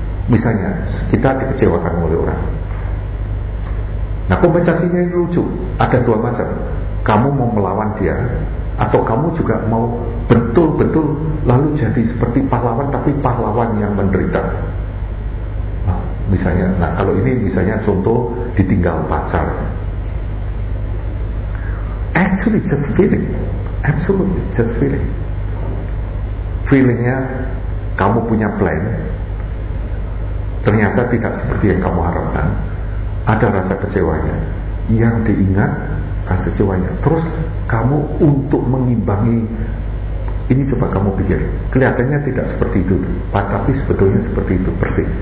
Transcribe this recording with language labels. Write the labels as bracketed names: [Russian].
[Indonesian] Misalnya kita dikecewakan oleh orang. Nah kompensasinya ini lucu, ada dua macam. Kamu mau melawan dia, atau kamu juga mau betul-betul lalu jadi seperti pahlawan, tapi pahlawan yang menderita. Nah, misalnya, nah kalau ini misalnya contoh ditinggal pacar. [English] Actually just feeling, absolutely just feeling. [Indonesian] Feelingnya kamu punya plan, ternyata tidak seperti yang kamu harapkan. Ada rasa kecewanya, yang diingat rasa kecewanya. Terus kamu untuk mengimbangi ini, coba kamu pikir, kelihatannya tidak seperti itu, tapi sebetulnya seperti itu persis.